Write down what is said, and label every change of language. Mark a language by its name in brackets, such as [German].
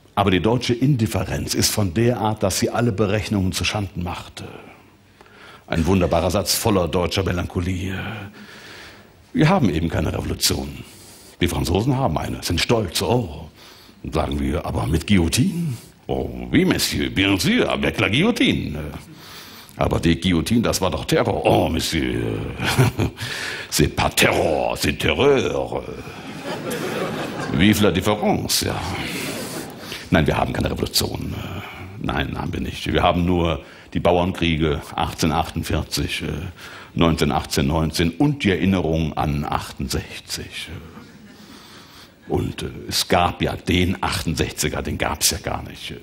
[German] Aber die deutsche Indifferenz ist von der Art, dass sie alle Berechnungen zuschanden macht. Ein wunderbarer Satz voller deutscher Melancholie. Wir haben eben keine Revolution. Die Franzosen haben eine, sind stolz, oh, sagen wir, aber mit Guillotine? [French] Oh, oui, Monsieur, bien sûr, avec la Guillotine. [German] Aber die Guillotine, das war doch Terror. [French] Oh, Monsieur, c'est pas Terror, c'est Terreur. Vive la différence, ja. [German] Nein, wir haben keine Revolution. Nein, haben wir nicht. Wir haben nur die Bauernkriege 1848, 1918, 1919 und die Erinnerung an 68. Und es gab ja den 68er, den gab es ja gar nicht.